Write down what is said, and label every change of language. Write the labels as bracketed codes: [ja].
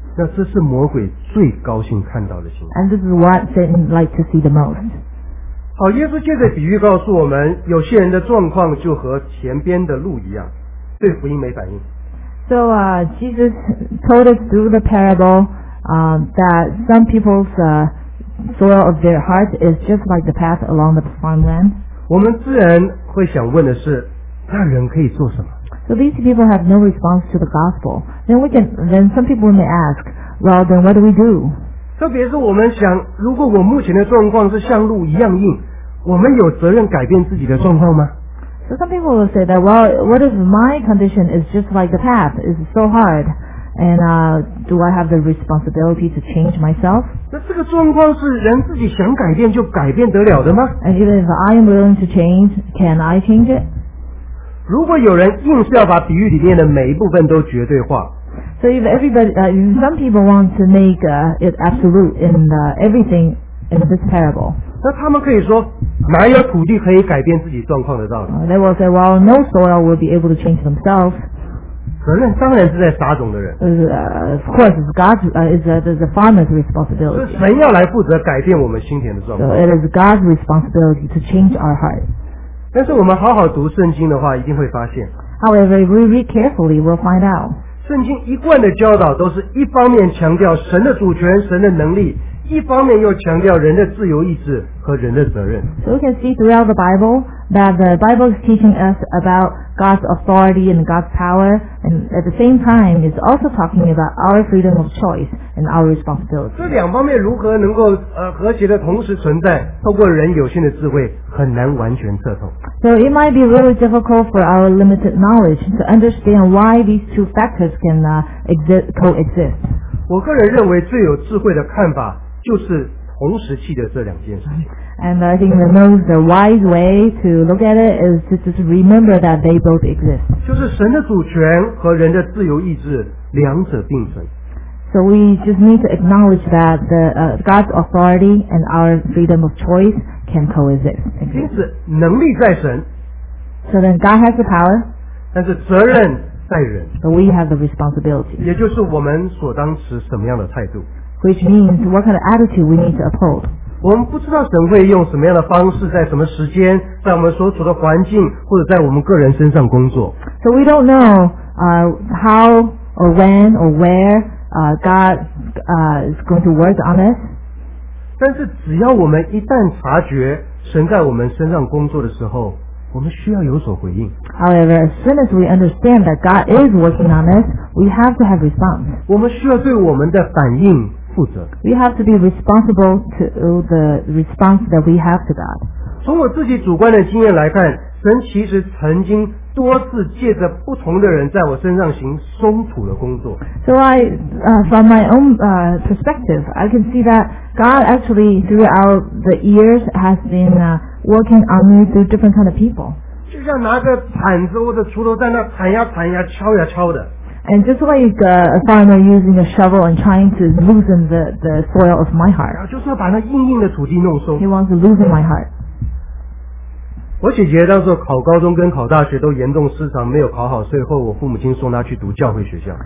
[zh] 那这是魔鬼最高兴看到的情况。 [en] And this is what Satan likes to see the most. [zh] 好，耶稣借着比喻告诉我们，有些人的状况就和前边的路一样，对福音没反应。 [en] So Jesus told us through the parable that some people's soil of their heart is just like the path along the farmland. [zh] 我们自然会想问的是，那人可以做什么？ [en] So these people have no response to the gospel. Then some people may ask, well, then what do we do? [zh] 特别是我们想，如果我目前的状况是像路一样硬，我们有责任改变自己的状况吗？ [en] So some people will say that, well, what if my condition is just like the path? It's so hard. And do I have the responsibility to change myself? [zh] 那这个状况是人自己想改变就改变得了的吗？ [en] And even if I am willing to change, can I change it? [zh] 如果有人硬是要把比喻里面的每一部分都绝对化 [en] So if everybody, some people want to make it absolute in everything in this parable [zh] 那他们可以说哪有土地可以改变自己状况的道理 [en] They will say, well, no soil will be able to change themselves [zh] 责任当然是在撒种的人 [en] Of course, it's God's, it's the farmer's responsibility [zh] 是神要来负责改变我们心田的状况 [en] So it is God's responsibility to change our heart [zh] 但是我们好好读圣经的话一定会发现 [en] However, if we read carefully, we'll find out [zh] 圣经一贯的教导都是一方面强调神的主权神的能力一方面又强调人的自由意志和人的责任 [en] So we can see throughout the Bible that the Bible is teaching us about God's authority and God's power and at the same time it's also talking about our freedom of choice and our responsibility [zh] 这两方面如何能够和谐的同时存在透过人有限的智慧很难完全彻透 [en] So it might be really difficult for our limited knowledge to understand why these two factors can coexist [zh] 我个人认为最有智慧的看法就是同时期的这两件事情 [en] And I think the wise way to look at it is to just remember that they both exist [zh] 就是神的主权和人的自由意志两者并存 [en] So we just need to acknowledge that God's authority and our freedom of choice can coexist [zh] 因此能力在神 [en] So then God has the power [zh] 但是责任在人 [en] But we have the responsibility [zh] 也就是我们所当持什么样的态度 [en] Which means what kind of attitude we need to uphold. [zh] 我们不知道神会用什么样的方式，在什么时间，在我们所处的环境，或者在我们个人身上工作。 [en] So we don't know how or when or where God is going to work on us. [zh] 但是只要我们一旦察觉神在我们身上工作的时候，我们需要有所回应。 [en] However, as soon as we understand that God is working on us, we have to have response. [zh] 我们需要对我们的反应负责。 [en] We have to be responsible to the response that we have to God. [zh] 从我自己主观的经验来看，神其实曾经多次借着不同的人在我身上行松土的工作。 [en] So I, from my own perspective, I can see that God actually throughout the years has been working on me through different kind of people. [zh] 就像拿个铲子或者锄头在那铲呀铲呀敲呀敲的。 [en] And just like a farmer using a shovel and trying to loosen the soil of my heart. [zh] 就是要把那硬硬的土地弄松。 [en] He wants to loosen my heart. [zh] 我姐姐当时考高中跟考大学都严重失常，没有考好，所以后我父母亲送她去读教会学校。